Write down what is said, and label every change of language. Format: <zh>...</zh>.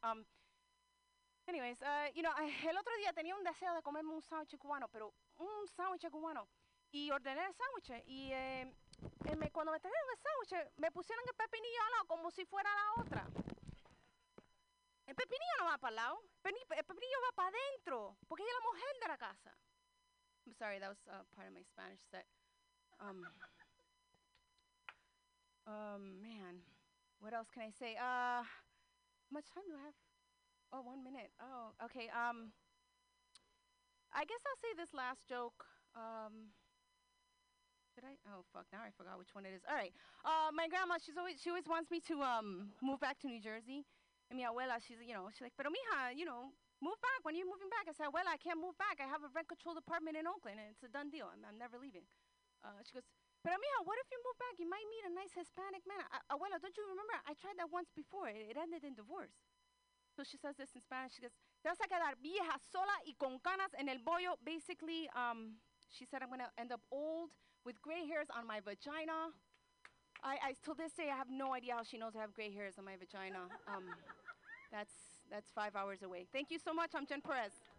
<es>El otro día tenía un deseo de comerme un sándwich cubano, pero un sándwich cubano. Y ordené el sándwich. Y cuando me trajeron el sándwich, me pusieron el pepinillo al lado como si fuera la otra. El pepinillo no va para el lado. El pepinillo va para adentro, porque ella es la mujer de la casa.</es> <en>I'm sorry, that was part of my Spanish set. Man, what else can I say? How much time do I have? Oh, 1 minute. Oh, okay. I guess I'll say this last joke. Now I forgot which one it is. All right. My grandma, she always wants me to move back to New Jersey. And mi abuela, she's like,</en> <es>pero mija,</es> <en>you know, move back. When are you moving back? I said, abuela, I can't move back. I have a rent-controlled apartment in Oakland, and it's a done deal. I'm never leaving. She goes, but mija, what if you move back? You might meet a nice Hispanic man. Abuela, don't you remember? I tried that once before. It ended in divorce. So she says this in Spanish. She goes,</en> <es>te vas a quedar vieja sola y con canas en el bollo.</es> <en>Basically, she said, I'm going to end up old with gray hairs on my vagina. I till this day, I have no idea how she knows I have gray hairs on my vagina. that's 5 hours away. Thank you so much. I'm Jen Perez.</en>